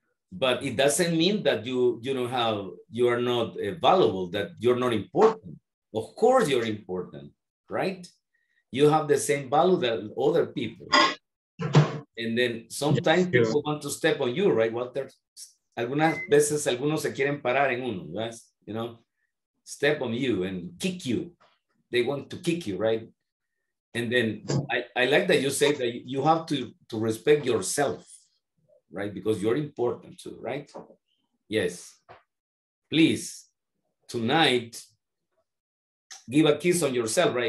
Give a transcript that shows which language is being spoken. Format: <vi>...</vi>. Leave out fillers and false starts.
<en>But it doesn't mean that you are not valuable, that you're not important. Of course you're important, right? You have the same value that other people. And then sometimes people want to step on you, right, Walter?</en> <es>Algunas veces algunos se quieren parar en uno, yes?</es> <en>You know, step on you and kick you. They want to kick you, right? And then I like that you say that you have to respect yourself, right? Because you're important too, right? Yes. Please, tonight, give a kiss on yourself, right?</en>